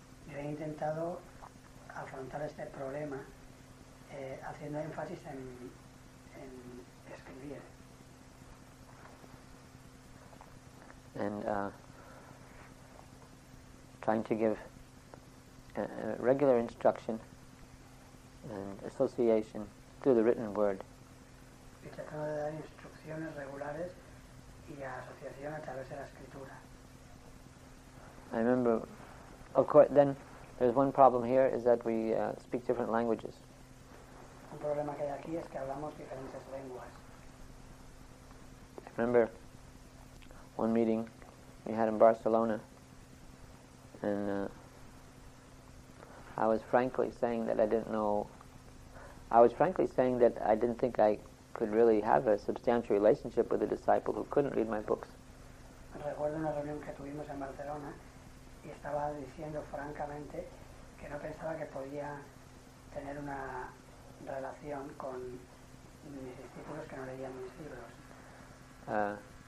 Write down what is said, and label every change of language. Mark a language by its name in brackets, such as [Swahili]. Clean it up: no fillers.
[Spanish] Yo he intentado afrontar este problema haciendo énfasis en escribir. [English] And trying to give a regular instruction and association through the written word. [Spanish] Y tratando de dar instrucciones regulares y asociación a través de la escritura. [English] I remember, of course, then there's one problem here is that we speak different languages. [Spanish] Un problema que hay aquí es que hablamos diferentes lenguas. [English] I remember one meeting we had in Barcelona, and I didn't think I could really have a substantial relationship with a disciple who couldn't read my books. [Spanish] Recuerdo una reunión que tuvimos en Barcelona. Y estaba diciendo francamente que no pensaba que podía tener una relación con mis discípulos que no leían mis libros.